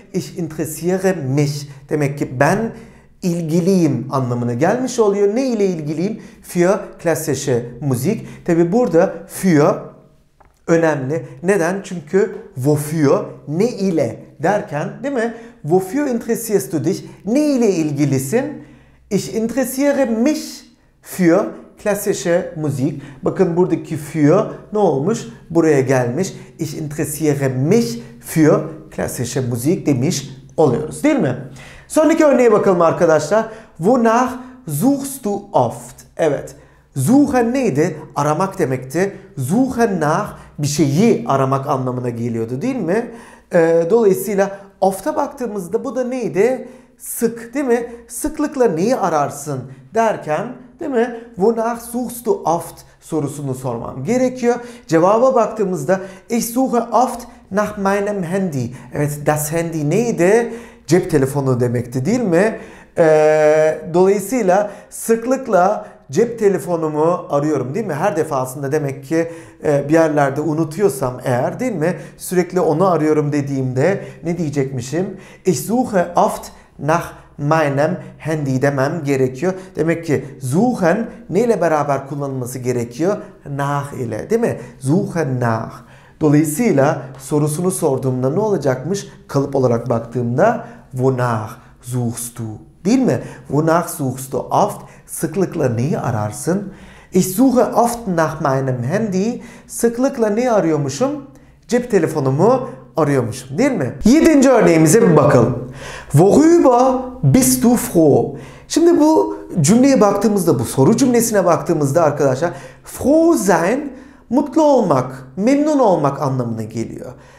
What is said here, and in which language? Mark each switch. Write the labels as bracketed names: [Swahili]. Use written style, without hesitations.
[German] Ich interessiere mich. [Turkish] Demek ki ben ilgiliyim anlamına gelmiş oluyor. Ne ile ilgiliyim? [German] Für klassische Musik. [Turkish] Tabi burada für önemli. Neden? Çünkü wofür, ne ile derken değil mi? [German] Wofür interessierst du dich? [Turkish] Ne ile ilgilisin? [German] Ich interessiere mich für klassische Musik. [Turkish] Bakın buradaki für ne olmuş? Buraya gelmiş. [German] Ich interessiere mich für klassische Musik [Turkish] demiş oluyoruz. Değil mi? Sonraki örneğe bakalım arkadaşlar. [German] Wonach suchst du oft? [Turkish] Evet. Suchen neydi? Aramak demekti. Suchen nach bir şeyi aramak anlamına geliyordu değil mi? Dolayısıyla oft'a baktığımızda bu da neydi? Sık değil mi? Sıklıkla neyi ararsın derken değil mi? [German] Wonach suchst du oft [Turkish] sorusunu sormam gerekiyor. Cevaba baktığımızda [German] ich suche oft nach meinem Handy. [Turkish] Evet, das Handy neydi? Cep telefonu demekti değil mi? Dolayısıyla sıklıkla cep telefonumu arıyorum değil mi? Her defasında demek ki bir yerlerde unutuyorsam eğer değil mi? Sürekli onu arıyorum dediğimde ne diyecekmişim? [German] Ich suche oft nach meinem Handy [Turkish] demem gerekiyor. Demek ki suchen neyle beraber kullanılması gerekiyor? Nach ile değil mi? Suchen nach. Dolayısıyla sorusunu sorduğumda ne olacakmış? Kalıp olarak baktığımda [German] wonach suchst du? [Turkish] Değil mi? [German] Wonach suchst du oft? [Turkish] Sıklıkla neyi ararsın? [German] Ich suche oft nach meinem Handy. [Turkish] Sıklıkla neyi arıyormuşum? Cep telefonumu arıyormuşum değil mi? Yedinci örneğimize bir bakalım. [German] Worüber bist du froh? [Turkish] Şimdi bu cümleye baktığımızda, bu soru cümlesine baktığımızda arkadaşlar froh sein, mutlu olmak, memnun olmak anlamına geliyor.